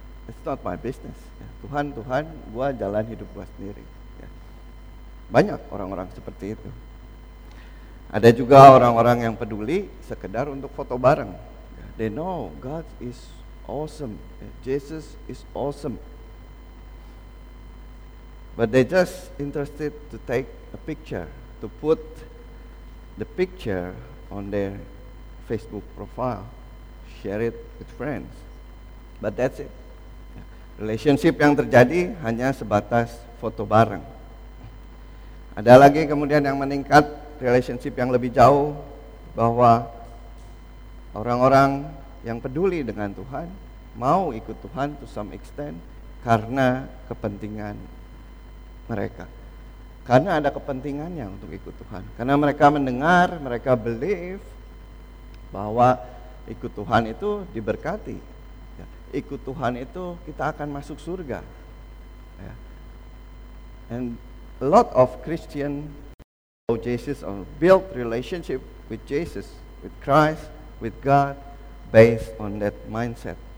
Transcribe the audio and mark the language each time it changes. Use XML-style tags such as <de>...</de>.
<en>It's not my business.</en> <id>Tuhan, gue jalan hidup gue sendiri. Banyak orang-orang seperti itu. Ada juga orang-orang yang peduli sekedar untuk foto bareng.</id> <en>They know God is awesome. Jesus is awesome. But they just interested to take a picture, to put the picture on their Facebook profile, share it with friends. But that's it.</en> <id>Relationship yang terjadi hanya sebatas foto bareng. Ada lagi kemudian yang meningkat relationship yang lebih jauh, bahwa orang-orang yang peduli dengan Tuhan mau ikut Tuhan</id> <en>to some extent</en> <id>karena kepentingan mereka. Karena ada kepentingannya untuk ikut Tuhan. Karena mereka mendengar, mereka believe bahwa ikut Tuhan itu diberkati. Ikut Tuhan itu kita akan masuk surga.</id> <en>And a lot of Christian know Jesus or build relationship with Jesus, with Christ, with God based on that mindset.</en>